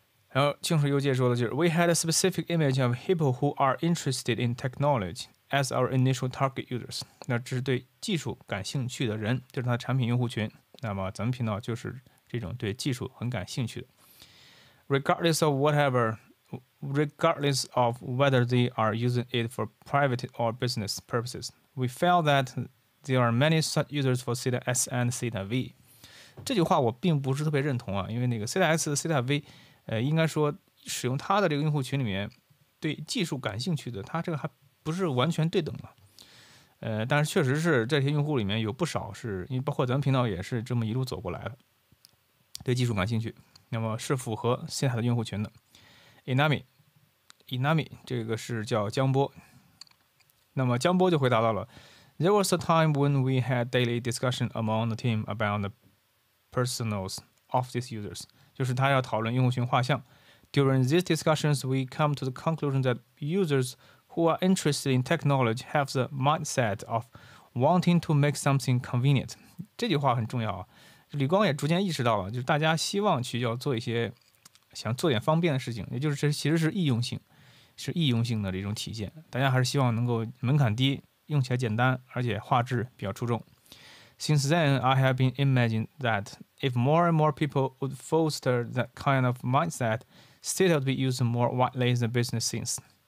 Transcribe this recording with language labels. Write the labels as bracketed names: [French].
[Chinese] 然后清楚又介绍的就是 [English] We had a specific image of people who are interested in technology as our initial target users， [Chinese] 那这是对技术感兴趣的人，就是它的产品用户群。那么咱们频道就是这种对技术很感兴趣的。 [English] Regardless of whether they are using it for private or business purposes, we felt that there are many such users for THETA X and THETA V。 [Chinese] 这句话我并不是特别认同啊，因为那个 THETA X THETA V，应该说使用它的这个用户群里面对技术感兴趣的，它这个还不是完全对等的。但是确实是这些用户里面有不少是，因为包括咱们频道也是这么一路走过来的，对技术感兴趣，那么是符合THETA的用户群的。 [English] Inami [Chinese] 这个是叫江波，那么江波就回答到了 [English] There was a time when we had daily discussion among the team about the personas of these users， [Chinese] 就是他要讨论用户群画像。 [English] During these discussions we come to the conclusion that users who are interested in technology have the mindset of wanting to make something convenient。 [Chinese] 这句话很重要啊，李光也逐渐意识到了，就是大家希望去要做一些想做点方便的事情，也就是这其实是易用性，是易用性的这种体现，大家还是希望能够门槛低，用起来简单，而且画质比较出众。 [English] Since then I have been imagining that if more and more people would foster that kind of mindset, THETA would be used more widely in the business scenes。